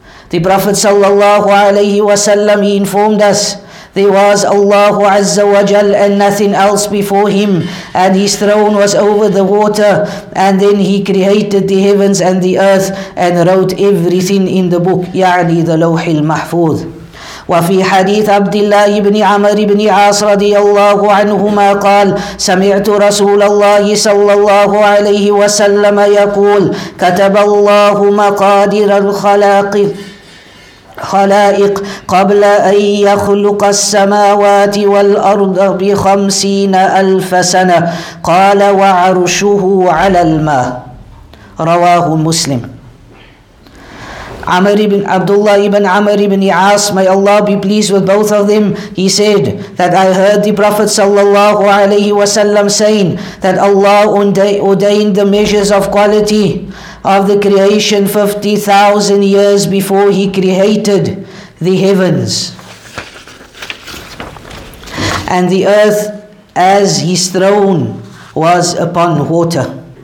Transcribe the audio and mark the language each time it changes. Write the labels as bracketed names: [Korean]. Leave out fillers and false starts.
[English] The Prophet sallallahu alayhi wa sallam, he informed us, there was Allah azza wa jal and nothing else before him, and his throne was over the water, and then he created the heavens and the earth and wrote everything in the book, يعني the لوح المحفوظ. [Arabic] وفي حديث عبد الله بن عمر بن عاص رضي الله عنهما قال سمعت رسول الله صلى الله عليه وسلم يقول كتب الله مقادير الخلائق خلائق قبل أن يخلق السماوات والأرض بخمسين ألف سنة قال وعرشه على الماء رواه مسلم. [English] Amr ibn Abdullah ibn Amr ibn Yas, may Allah be pleased with both of them, he said that I heard the Prophet sallallahu alayhi wa sallam saying that Allah ordained the measures of quality of the creation 50,000 years before he created the heavens and the earth as his throne was upon water.